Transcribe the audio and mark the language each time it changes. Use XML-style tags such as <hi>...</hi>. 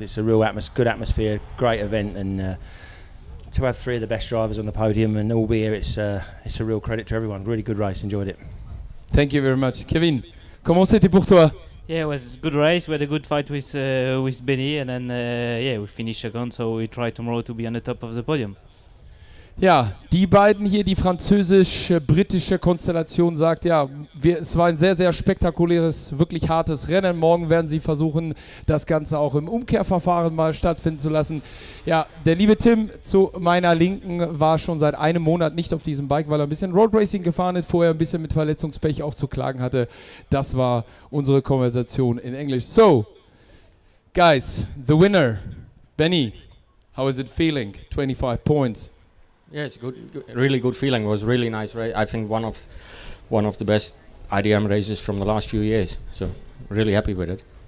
<en>It's a real good atmosphere, great event, and to have 3 of the best drivers on the podium and all be here, it's a real credit to everyone. Really good race, enjoyed it. Thank you very much. Kevin,</en> <fr>comment c'était pour toi?</fr> <en>Yeah, it was a good race. We had a good fight with Benny, and then we finished second, so we try tomorrow to be on the top of the podium.</en> <de>Ja, die beiden hier, die französisch-britische Konstellation sagt, ja, es war ein sehr, sehr spektakuläres, wirklich hartes Rennen. Morgen werden sie versuchen, das Ganze auch im Umkehrverfahren mal stattfinden zu lassen. Ja, der liebe Tim zu meiner Linken war schon seit einem Monat nicht auf diesem Bike, weil er ein bisschen Road Racing gefahren ist, vorher ein bisschen mit Verletzungspech auch zu klagen hatte. Das war unsere Konversation in Englisch.</de> <en>So, guys, the winner, Benny, how is it feeling? 25 points. Yeah, it's good, really good feeling. It was really nice race. I think one of the best IDM races from the last few years. So, really happy with it.</en>